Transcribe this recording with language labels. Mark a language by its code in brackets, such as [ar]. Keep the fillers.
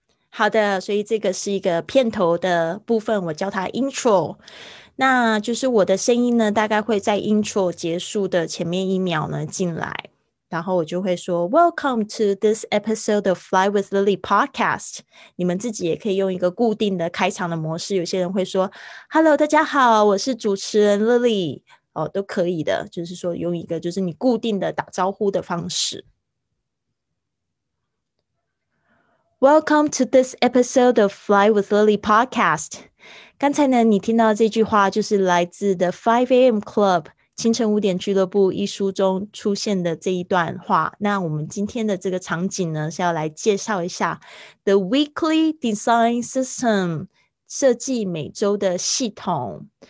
[zh] 好的，所以这个是一个片头的部分，我叫它 intro，那就是我的声音呢，大概会在 intro 结束的前面一秒呢进来，然后我就会说 [en] Welcome to this episode of Fly with Lily podcast。 [zh] 你们自己也可以用一个固定的开场的模式，有些人会说 Hello，大家好，我是主持人 Lily，哦，都可以的，就是说用一个就是你固定的打招呼的方式。 [en] Welcome to this episode of Fly with Lily podcast。 [zh] 刚才呢，你听到这句话就是来自的《Five A.M. Club》清晨五点俱乐部一书中出现的这一段话。那我们今天的这个场景呢，是要来介绍一下《The Weekly Design System》设计每周的系统。